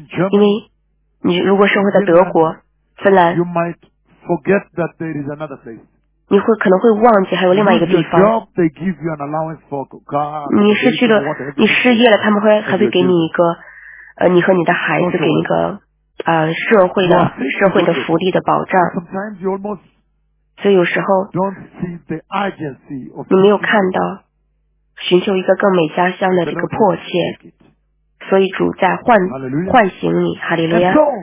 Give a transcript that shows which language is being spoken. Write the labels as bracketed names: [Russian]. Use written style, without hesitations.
[Chinese] 因为你如果生活在德国芬兰， [English] Forget that there is another place. [Chinese] 你会可能会忘记还有另外一个地方。 [English] Job, they give you an allowance for car. [Chinese] 你失去了，你失业了，他们会还会给你一个，你和你的孩子给一个，社会的福利的保障。 [English] Sometimes you almost. [Chinese] 所以有时候。 [English] Don't see the urgency of. [Chinese] 你没有看到，寻求一个更美家乡的这个迫切，所以主在唤醒你，哈利路亚。